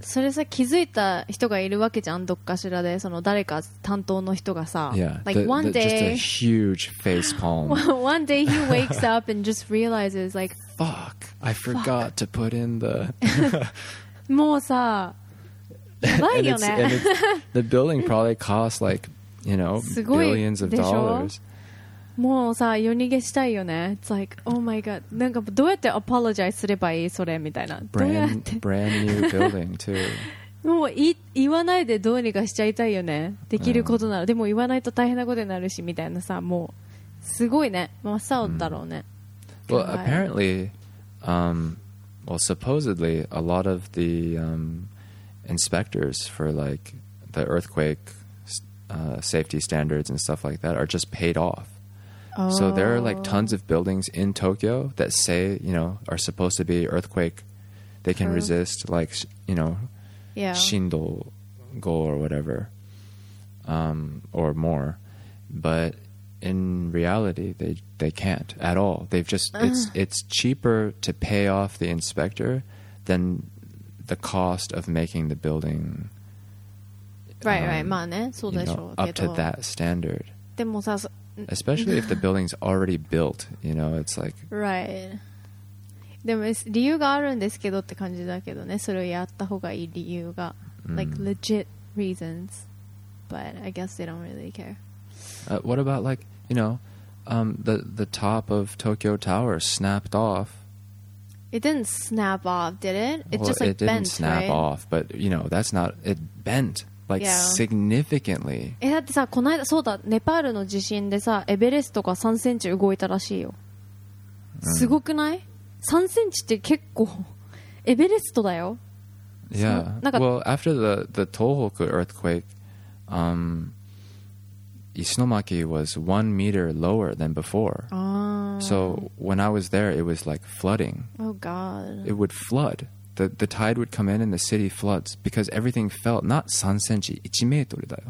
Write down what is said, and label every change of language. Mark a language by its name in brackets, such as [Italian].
[Japanese] それさ、気づいた人がいるわけじゃん、どっかしらで、その誰か担当の人がさ。 [English] Yeah. Like one day, just a huge face palm. One day he wakes up and just realizes, like, fuck, I forgot to put in the. [Japanese] もうさ、やばいよね。 [English] The building probably costs like, you know, billions of dollars. [Japanese] もうさ、夜逃げしたいよね。 [English] It's like, oh my god. [Japanese] なんかどうやってアポロジャイすればいいそれみたいな。 [English] Brand new building too. [Japanese] もう言わないでどうにかしちゃいたいよね。できることなら。でも言わないと大変なことになるしみたいなさ、もうすごいね。真っ青だろうね。 [English] Well, apparently, well, supposedly, a lot of the inspectors for like the earthquake safety standards and stuff like that are just paid off. So there are like tons of buildings in Tokyo that say, you know, are supposed to be earthquake. They can resist like, you know, shindo go or whatever, or more. But in reality, they can't at all. They've just, it's cheaper to pay off the inspector than the cost of making the building right. [Japanese] まあね、そうでしょう。 [English] up to that standard. [Japanese] でもさ、 [English] Especially if the building's already built, you know, it's like... Right. [Japanese] でも理由があるんですけどって感じだけどね。それをやった方がいい理由が。 [English] Like, legit reasons. But I guess they don't really care. What about like, you know, the top of Tokyo Tower snapped off. It didn't snap off, did it? It just like bent, right? It didn't snap off, but you know, that's not... It bent. Like, significantly. [Japanese] え、だってさ、この間、そうだ、ネパールの地震でさ、エベレストが3センチ動いたらしいよ。すごくない ?3 センチって結構、エベレストだよ。 [English] Yeah. [Japanese] なんか、 [English] well, after the Tohoku earthquake, 石巻 was 1 meter lower than before. So, when I was there, it was like flooding. Oh, God. It would flood. The tide would come in and the city floods because everything fell not 3 centimeters, 1 meter.